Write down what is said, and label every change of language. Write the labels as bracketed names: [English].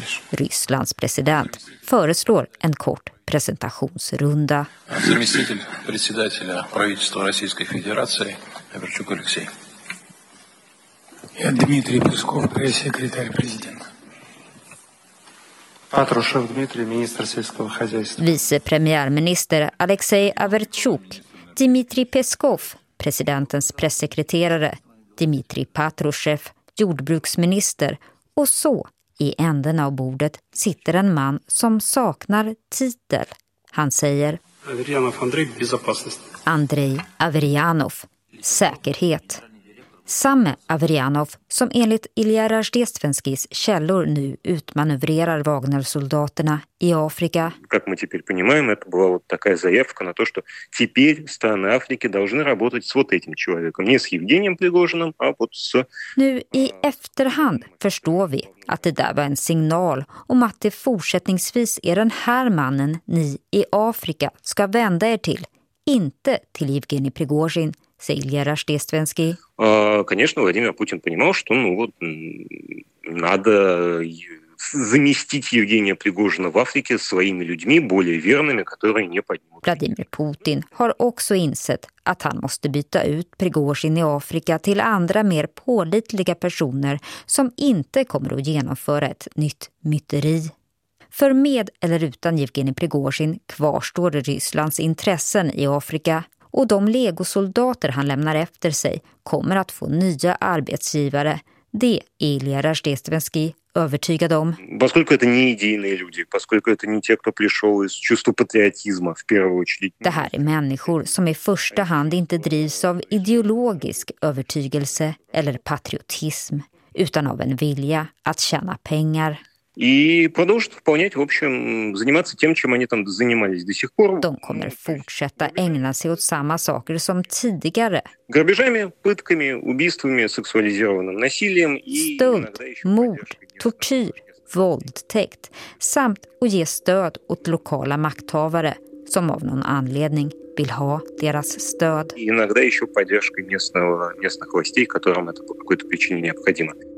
[Swedish] Rysslands president föreslår en kort presentationsrunda. [Russian] Заместитель председателя правительства Российской Федерации Эверчук Алексей. Я Дмитрий Песков, пресс-секретарь президента. Патрушев Дмитрий, министр сельского хозяйства. Вице-премьер-министр Алексей Эверчук. Дмитрий Песков, [Swedish] президентens [Russian] пресс-секретарь. [Swedish] Дмитрий Патрушев, jordbruksminister. Och så... I änden av bordet sitter en man som saknar titel. Han säger... [Russian] Аверьянов Андрей, безопасность. [Swedish] Андрей Аверьянов, säkerhet. Samme Аверьянов som enligt Ilja Rajdestvenskis källor nu utmanövrerar Wagner-soldaterna i Afrika. [Russian] Как мы теперь понимаем, это была вот такая заявка на то, что теперь страны Африки должны работать с вот этим человеком, не с Евгением Пригожиным, а вот с... [Swedish] Nu i efterhand förstår vi att det där var en signal om att det fortsättningsvis är den här mannen ni i Afrika ska vända er till, inte till Евгений Пригожин. [Russian] Конечно, Владимир Путин понимал, что ну вот надо заместить Евгения Пригожина в Африке своими людьми более верными, которые не поднимут. [Swedish] Владимир Путин har också insett att han måste byta ut Prigozjin i Afrika till andra mer pålitliga personer som inte kommer att genomföra ett nytt myteri. För med eller utan Evgeni Prigozjin kvarstår Rysslands intressen i Afrika. Och de legosoldater han lämnar efter sig kommer att få nya arbetsgivare. Det är Ilja Rajdestvenski övertygad om. [Russian] Поскольку это не идейные люди, поскольку это не те, кто пришел из чувства патриотизма в первую очередь. [Swedish] Det här är människor som i första hand inte drivs av ideologisk övertygelse eller patriotism, utan av en vilja att tjäna pengar. [Russian] И продолжат выполнять, в общем, заниматься тем, чем они там занимались до сих пор. [Swedish] De kommer fortsätta ägna sig åt samma saker som tidigare. [Russian] Грабежами, пытками, убийствами, сексуализированным насилием. [Swedish] Stöld, mord, tortyr, våldtäkt. Samt att ge stöd åt lokala makthavare som av någon anledning vill ha deras stöd. [Russian] И иногда еще поддержкой местных властей, которым это по какой-то причине необходимо.